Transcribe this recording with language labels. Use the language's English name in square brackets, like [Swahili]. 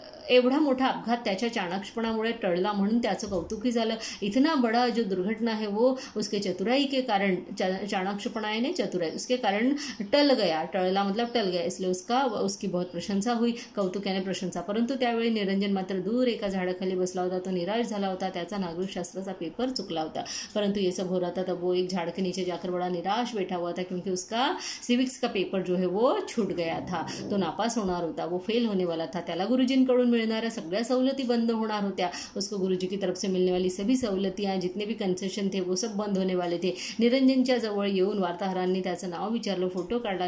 [Marathi] एवढा मोठा अपघात त्याच्या चाणाक्षपणामुळे टळला म्हणून त्याचं कौतुकही झालं। [Hindi] इतना बड़ा जो दुर्घटना है वो उसके चतुराई के कारण, चाणाक्षपणाने चतुराई उसके कारण टल गया, टळला मतलब टल गया, इसलिए उसकी बहुत प्रशंसा हुई, कौतुकाने प्रशंसा। [Marathi] परंतु त्यावेळी निरंजन मात्र दूर एका झाडाखाली बसला होता, तो निराश झाला होता, त्याचा नागरिकशास्त्राचा पेपर चुकला होता। [Hindi] परंतु ये सब हो रहा था तब वो एक झाड़ के नीचे जाकर बड़ा निराश बैठा हुआ था, क्योंकि उसका सिविक्स का पेपर जो है वो छूट गया था, [Marathi] तो नापास होणार होता, [Hindi] वो फेल होने वाला था। [Marathi] त्याला गुरुजींकडून मिळणाऱ्या सगळ्या सवलती बंद होणार होत्या। [Hindi] उसको गुरुजी की तरफ से मिलने वाली सभी सवलतियां, जितने भी कन्सेशन थे वो सब बंद होने वाले थे। [Marathi] निरंजनच्या जवळ येऊन वार्ताहरांनी त्याचं नाव विचारलं, फोटो काढला।